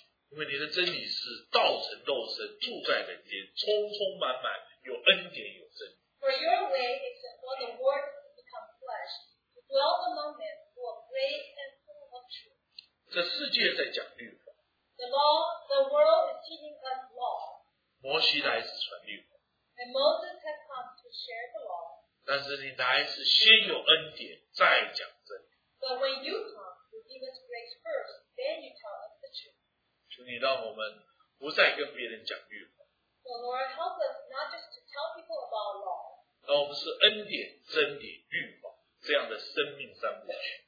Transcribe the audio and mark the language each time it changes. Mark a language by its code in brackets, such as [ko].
[zh] 因为你的真理是道成肉身，住在人间，充充满满，有恩典，有真理。 [en] For your way is for the word to become flesh, to dwell among men, who are great and full of truth. [zh] 这世界在讲律法。 [en] The law, the world is teaching us law. [zh] 摩西来是传律法。 [en] And Moses has come to share the law. [zh] 但是你来是先有恩典，再讲真理。 [en] But when you come, you give us grace first, then you tell us the truth. [zh] 求你让我们不再跟别人讲律法。 [en] So Lord, help us not just to tell people about law. [zh] 让我们是恩典、真理、律法这样的生命三部曲。